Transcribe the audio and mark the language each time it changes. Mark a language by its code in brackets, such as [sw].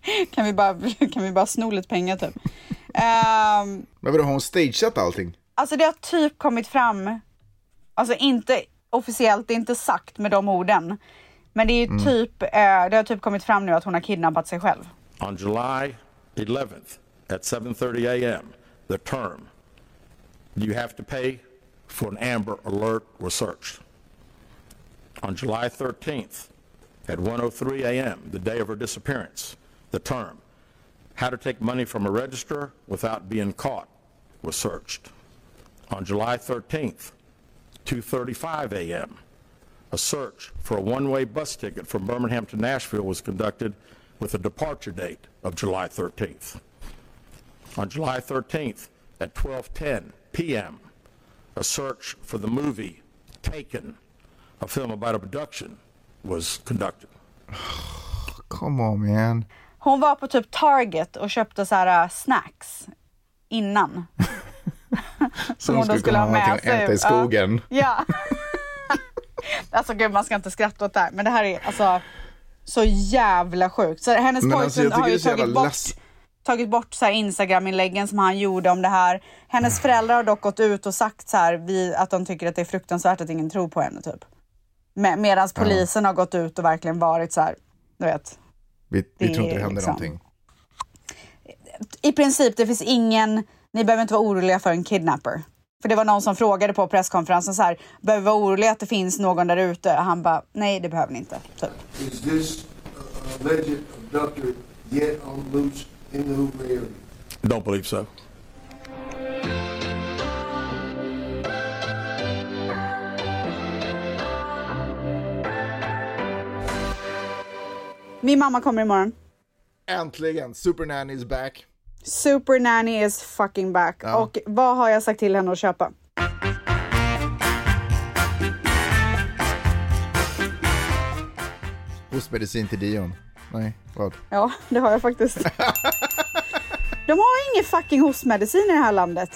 [sv] kan vi bara sno lite pengar typ. Men vadå, har hon stageat allting? Alltså det har typ kommit fram, alltså inte officiellt, det är inte sagt med de orden. Men det är ju typ, det har typ kommit fram nu att hon har kidnappat sig själv. [en] On July 11th at 7:30 a.m., the term you have to pay for an Amber Alert was searched. On July 13th at 1:03 a.m., the day of her disappearance, the term how to take money from a register without being caught was searched. On July 13th, 2:35 a.m., a search for a one-way bus ticket from Birmingham to Nashville was conducted with a departure date of July 13th. On July 13th at 12:10 p.m., a search for the movie Taken, a film about abduction, was conducted. Come on, man. [sv] Hon var på typ Target och köpte så här snacks innan. Som hon skulle kunna ha någonting att äta i skogen. Ja. Alltså gud, man ska inte skratta åt det här. Men det här är alltså så jävla sjukt. Så hennes pojkvän alltså, har ju tagit bort så här Instagram-inläggen som han gjorde om det här. Hennes föräldrar har dock gått ut och sagt så här, att de tycker att det är fruktansvärt att ingen tror på henne typ. Medan polisen har gått ut och verkligen varit så här, du vet. Vi tror inte det händer liksom någonting. I princip, det finns ingen... Ni behöver inte vara oroliga för en kidnapper. För det var någon som frågade på presskonferensen så här, behöver vara oroliga att det finns någon där ute? Han bara, nej, det behöver ni inte. Typ. [en] Is this alleged abductor yet on loose in the Hoover area? Don't believe so. [sv] Min mamma kommer imorgon. [en] Äntligen, Supernanny is back. Supernanny is fucking back. [sv] Ja. Och vad har jag sagt till henne att köpa? Hostmedicin till Dion. Nej, vad? Ja, det har jag faktiskt. De har ingen fucking hostmedicin i det här landet.